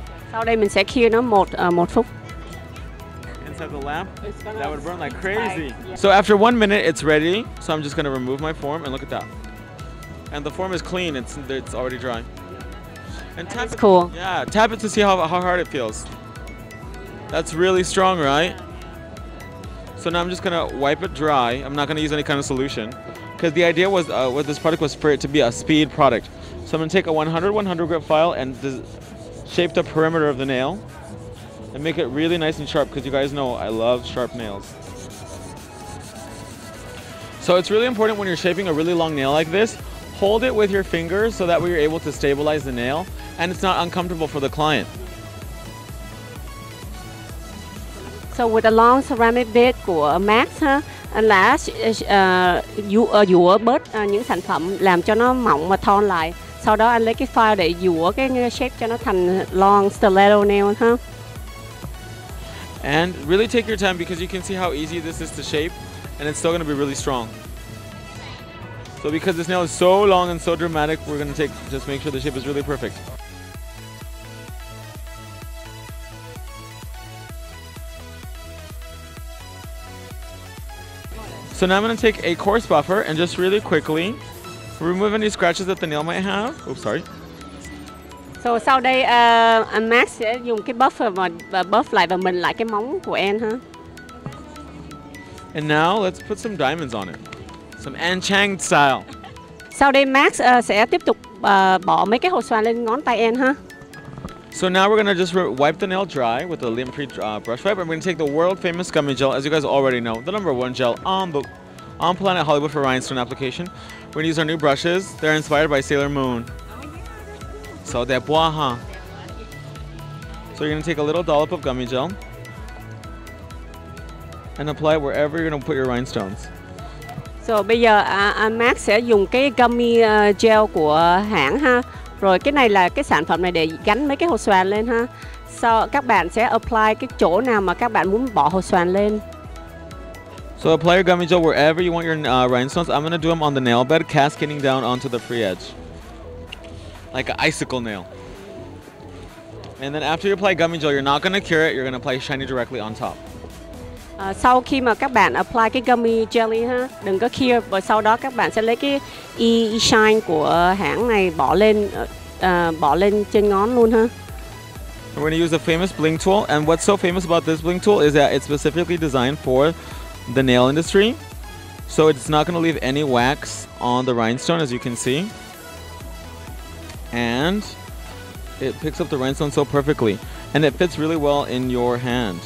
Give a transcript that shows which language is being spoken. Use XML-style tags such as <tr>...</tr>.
<vi>Sau đây mình sẽ cure nó một phút.</vi> <en>Inside the lamp, that would burn like crazy. So after 1 minute, it's ready. So I'm just gonna remove my form and look at that. And the form is clean. It's already dry. And tap it. Cool. Yeah, tap it to see how hard it feels. That's really strong, right? So now I'm just gonna wipe it dry. I'm not gonna use any kind of solution, because the idea was with this product was for it to be a speed product. So I'm gonna take a 100-100 grit file and shape the perimeter of the nail and make it really nice and sharp, because you guys know I love sharp nails. So it's really important when you're shaping a really long nail like this, hold it with your fingers so that way you're able to stabilize the nail and it's not uncomfortable for the client. So with a long ceramic bit</en> <vi>của Max ha, anh đã dũa bớt những sản phẩm làm cho nó mỏng và thon lại. Sau đó anh lấy cái file để dũa cái shape cho nó thành</vi> <en>long stiletto nail</en> <vi>ha.</vi> <en>And really take your time, because you can see how easy this is to shape, and it's still going to be really strong. So because this nail is so long and so dramatic, we're going to just make sure the shape is really perfect. So now I'm going to take a coarse buffer and just really quickly remove any scratches that the nail might have. Oops, sorry.</en> <vi>So sau đây Max sẽ dùng cái buffer và buff lại và mình lại cái móng của em ha.</vi> <en>And now let's put some diamonds on it. Some An Chang style.</en> <vi>Sau đây Max sẽ tiếp tục bỏ mấy cái hột xoan lên ngón tay em ha.</vi> <en>So now we're going to just wipe the nail dry with a lint-free brush wipe. I'm going to take the world-famous gummy gel, as you guys already know, the number one gel on Planet Hollywood for rhinestone application. We're going to use our new brushes. They're inspired by Sailor Moon. So they're bois, huh? So you're going to take a little dollop of gummy gel and apply it wherever you're going to put your rhinestones.</en> <vi>So bây giờ Max sẽ dùng cái gummy gel của hãng ha. Rồi cái này là cái sản phẩm này để gắn mấy cái hột xoàn lên ha. Sau các bạn sẽ apply cái chỗ nào mà các bạn muốn bỏ hột xoàn lên.</vi> <en>So apply your gummy gel wherever you want your rhinestones. I'm gonna do them on the nail bed, cascading down onto the free edge. Like an icicle nail. And then after you apply gummy gel, you're not gonna cure it, you're gonna apply shiny directly on top.</en> <vi>Sau khi mà các bạn apply cái gummy jelly ha, đừng có cure, và sau đó các bạn sẽ lấy cái e-shine của hãng này bỏ lên trên ngón luôn ha.</vi> <en>We're gonna use the famous bling tool, and what's so famous about this bling tool is that it's specifically designed for the nail industry, so it's not gonna leave any wax on the rhinestone, as you can see, and it picks up the rhinestone so perfectly, and it fits really well in your hand.</en>